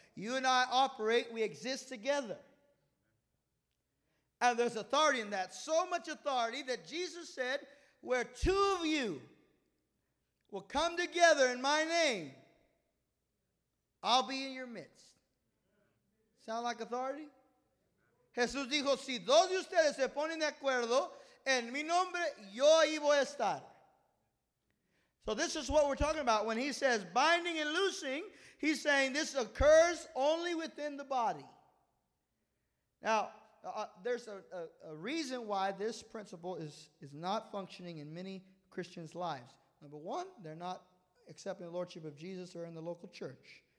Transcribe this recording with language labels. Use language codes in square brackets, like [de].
[en] You and I operate, we exist together. And there's authority in that. So much authority that Jesus said, where two of you will come together in my name, I'll be in your midst. Sound like authority? [es] Jesús dijo, si dos de ustedes se ponen de acuerdo, en mi nombre, yo ahí voy a estar. [en] So this is what we're talking about. When he says binding and loosing, he's saying this occurs only within the body. Now, there's a reason why this principle is not functioning in many Christians' lives. Number one, they're not accepting the Lordship of Jesus or in the local church.